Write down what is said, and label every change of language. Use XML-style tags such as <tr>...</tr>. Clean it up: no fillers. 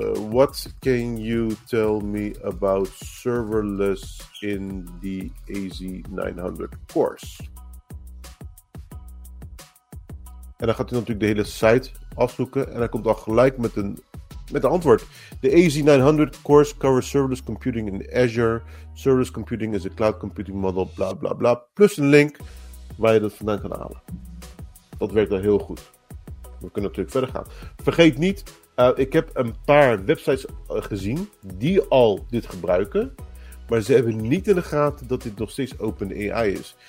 <en>What can you tell me about serverless in the AZ900 course?</en> <nl>En dan gaat hij natuurlijk de hele site afzoeken en hij komt al gelijk met een antwoord.</nl> <en>The AZ900 course covers serverless computing in Azure. Serverless computing is a cloud computing model, bla bla bla.</en> <nl>Plus een link waar je dat vandaan kan halen. Dat werkt wel heel goed. We kunnen natuurlijk verder gaan. Vergeet niet, ik heb een paar websites gezien die al dit gebruiken. Maar ze hebben niet in de gaten dat dit nog steeds OpenAI is.</nl>